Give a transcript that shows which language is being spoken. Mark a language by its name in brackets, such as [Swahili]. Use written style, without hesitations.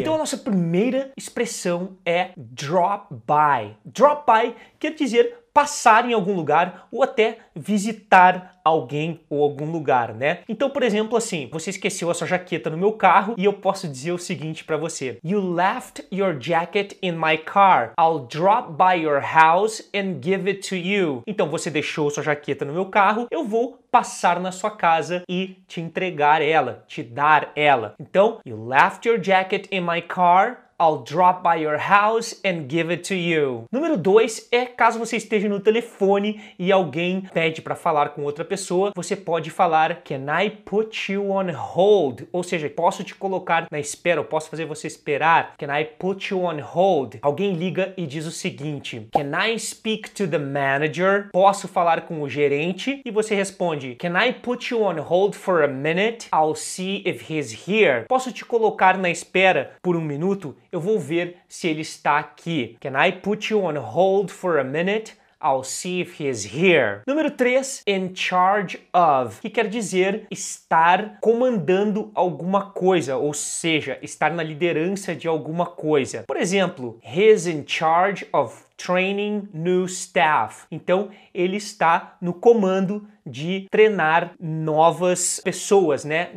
[Portuguese] Então a nossa primeira expressão é drop by. Drop by quer dizer passar em algum lugar ou até visitar alguém ou algum lugar, né? Então, por exemplo, assim, você esqueceu a sua jaqueta no meu carro e eu posso dizer o seguinte pra você. [English] You left your jacket in my car. I'll drop by your house and give it to you. [Portuguese] Então, você deixou sua jaqueta no meu carro, eu vou passar na sua casa e te entregar ela, te dar ela. [English] Então, you left your jacket in my car. I'll drop by your house and give it to you. [Portuguese] Número 2 é caso você esteja no telefone e alguém pede para falar com outra pessoa, você pode falar [English] Can I put you on hold? [Portuguese] Ou seja, posso te colocar na espera, ou posso fazer você esperar. [English] Can I put you on hold? [Portuguese] Alguém liga e diz o seguinte [English] Can I speak to the manager? [Portuguese] Posso falar com o gerente? E você responde [English] Can I put you on hold for a minute? I'll see if he's here. [Portuguese] Posso te colocar na espera por um minuto? Eu vou ver se ele está aqui. [English] Can I put you on hold for a minute? I'll see if he's here. [Portuguese] Número 3, in charge of, que quer dizer estar comandando alguma coisa, ou seja, estar na liderança de alguma coisa. Por exemplo, [English] he's in charge of training new staff. [Portuguese] Então, ele está no comando de treinar novas pessoas, né?